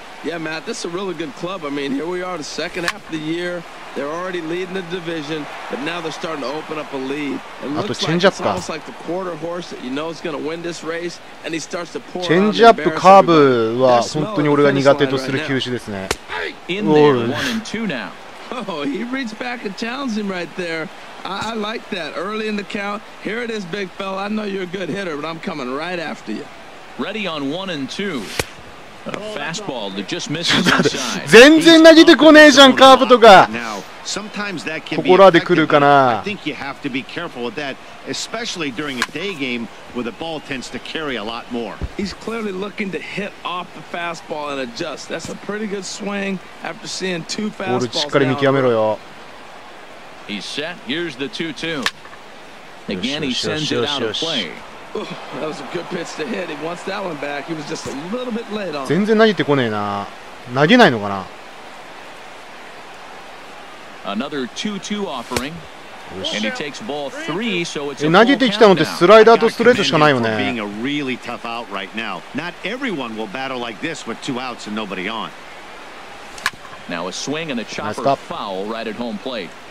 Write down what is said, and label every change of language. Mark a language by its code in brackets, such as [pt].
[en] Yeah, Matt, this is a really good club. I mean, here we are the second half of the year. They're already leading the division, but now they're starting to open up a lead. And it looks like it's almost like the quarter horse that you know is going to win this race, and he starts to pour on the embarrassment. Change up to curve is [ja] 本当に俺が苦手とする球種ですね。 [en] In there, one and two now. Oh, he reads back and challenges him right there. I like that. Early in the count, here it is, big fella. I know you're a good hitter, but I'm coming right after you. Ready on one and two. A fastball that just misses inside. [ja] 全然投げてこねえじゃん、カーブとか。ここらで来るかな。 [en] I think you have to be careful with that, especially during a day game where the ball tends to carry a lot more. He's clearly looking to hit off the fastball and adjust. That's a pretty good swing after seeing two fastballs. [ja] ボールしっかり見極めろよ。 [en] He's set. Here's the 2-2. Again, he sends it out of play. That was a good pitch to hit. He wants that one back. He was just a little bit late on. [ja] 全然投げてこねえな。投げないのかな。 [en] Another 2-2 offering. And he takes ball three, so it's. [ja] 投げてきたのってスライダーとストレートしかないよね。 [en] Being a really tough out right now. Not everyone will battle like this with two outs and nobody on. Now a swing and a chopper foul right at home plate.